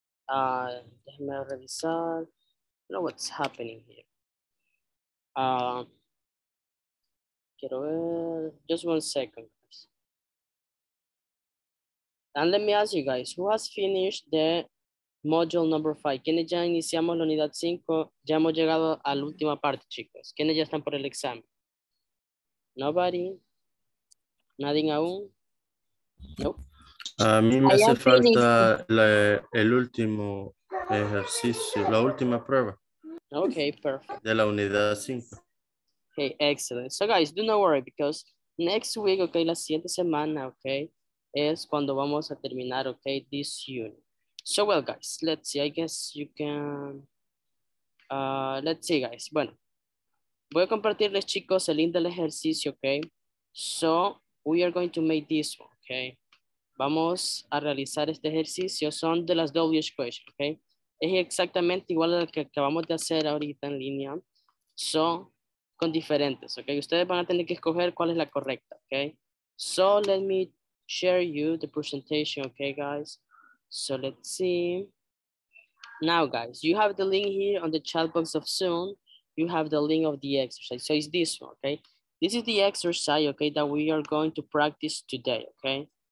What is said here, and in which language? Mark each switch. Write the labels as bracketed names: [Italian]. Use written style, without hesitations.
[English] Déjame revisar. I don't know what's happening here. [Spanish] Quiero ver. [English] Just 1 second, guys. And let me ask you guys, who has finished the module number 5. [Spanish] ¿Quiénes ya iniciamos la unidad 5? Ya hemos llegado a la última parte, chicos. ¿Quiénes ya están por el examen? Nobody. Nadie aún. No. A mí me hace falta el último ejercicio, la última prueba. [English] Okay, perfect. [Spanish] De la unidad 5. [English] Okay, excellent. So guys, do not worry because next week, okay, la siguiente semana, okay, es cuando vamos a terminar, okay, this unit. So, well, guys, let's see. I guess you can. Let's see, guys. [Spanish] Bueno, voy a compartirles, chicos, el link del ejercicio, okay? [English] So, we are going to make this one, okay? [Spanish] Vamos a realizar este ejercicio. Son de las WH equations, okay? Es exactamente igual al que acabamos de hacer ahorita en línea. So, con diferentes, okay? Ustedes van a tener que escoger cuál es la correcta, okay? [English] So, let me share you the presentation, okay, guys? So let's see. Now, guys, you have the link here on the chat box of Zoom. You have the link of the exercise. So it's this one, okay? This is the exercise, okay, that we are going to practice today, okay?